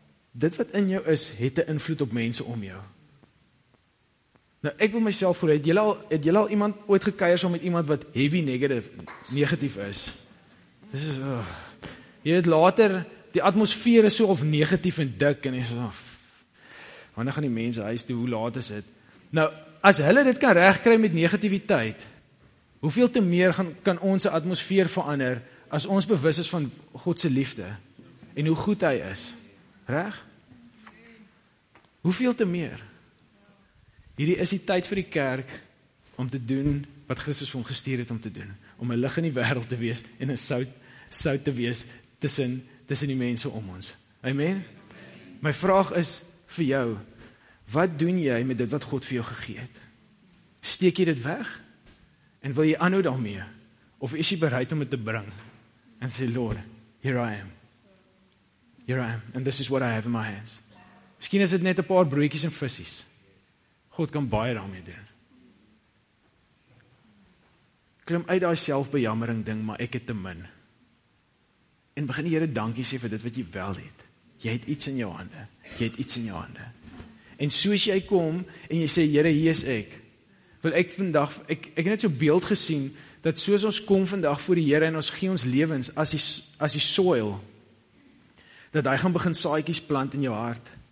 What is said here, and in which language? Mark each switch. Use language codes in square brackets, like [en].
[af] Dit wat in jou is, het 'n invloed op mense om jou. Nou, ek wil myself voel, het jy al iemand ooit gekuier saam met iemand wat heavy negatief is? Dis is, oh. Jy het later, die atmosfeer is so of negatief en dik, en jy sê, wanneer gaan die mense huis toe, hoe laat is dit? Nou, as hulle dit kan regkry met negativiteit, hoeveel te meer kan ons atmosfeer verander, as ons bewus is van God se liefde, en hoe goed hy is? Reg? Hoeveel te meer? Hierdie is die tyd vir die kerk om te doen wat Christus vir hom gestuur het om te doen. Om 'n lig in die wêreld te wees en 'n sout te wees tussen die mense om ons. Amen? My vraag is vir jou, wat doen jy met dit wat God vir jou gegee het? Steek jy dit weg? En wil jy aanhou daarmee? Of is jy bereid om dit te bring? En sê, [en] Lord, here I am. Here I am, and this is what I have in my hands. [af] Miskien is dit net 'n paar broodjies en vissies. God kan baie daarmee doen. Klim uit daai selfbejammering ding, maar ek het te min. En begin die Here dankie sê vir dit wat jy wel het. Jy het iets in jou hande. Jy het iets in jou hande. En soos jy kom en jy sê, Here, hier is ek. Wil ek vandag, ek het net so beeld gesien, dat soos ons kom vandag voor die Here en ons gee ons lewens as die soil, dat hy gaan begin saaitjies plant in jou hart.